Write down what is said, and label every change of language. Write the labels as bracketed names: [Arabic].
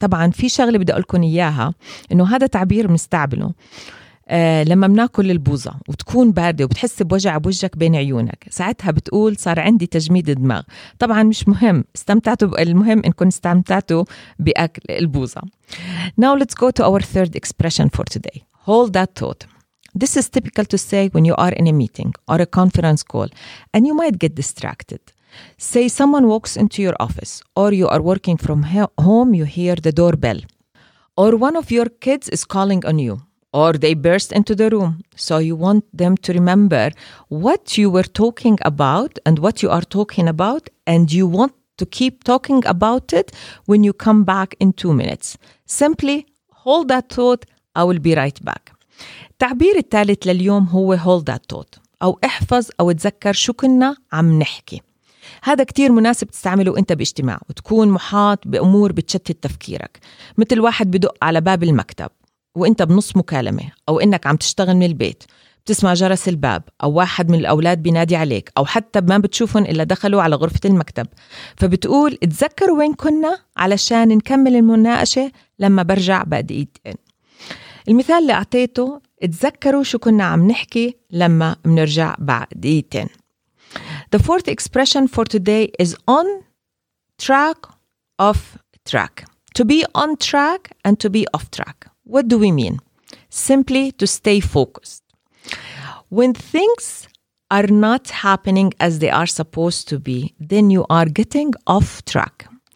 [Arabic] طبعا في شغلة بدي أقولكم إياها، إنه هذا تعبير بنستعبله لما بناكل البوزة وتكون باردة وبتحس بوجع بوجهك بين عيونك، ساعتها بتقول صار عندي تجميد دماغ. طبعا مش مهم استمتعتوا، المهم إنكم استمتعتوا بأكل البوزة. [English] Now let's go to our third expression for today. Hold that thought. This is typical to say when you are in a meeting or a conference call and you might get distracted. Say someone walks into your office or you are working from home, you hear the doorbell. Or one of your kids is calling on you or they burst into the room. So you want them to remember what you were talking about and what you are talking about, and you want to keep talking about it when you come back in 2 minutes. Simply hold that thought, I will be right back. [Arabic] التعبير الثالث لليوم هو [English] hold that thought، [Arabic] أو احفظ أو تذكر شو كنا عم نحكي. هذا كتير مناسب تستعمله أنت باجتماع وتكون محاط بأمور بتشتت تفكيرك، مثل واحد بدق على باب المكتب وأنت بنص مكالمة، أو أنك عم تشتغل من البيت بتسمع جرس الباب، أو واحد من الأولاد بينادي عليك، أو حتى ما بتشوفهم إلا دخلوا على غرفة المكتب، فبتقول تذكر وين كنا علشان نكمل المناقشة لما برجع بعد دقيقتين. المثال اللي أعطيته اتذكروا شو كنا عم نحكي لما بنرجع بعديتين. [English] The fourth expression for today is on track, off track. To be on track and to be off track. What do we mean? Simply to stay focused. When things are not happening as they are supposed to be, then you are getting off track.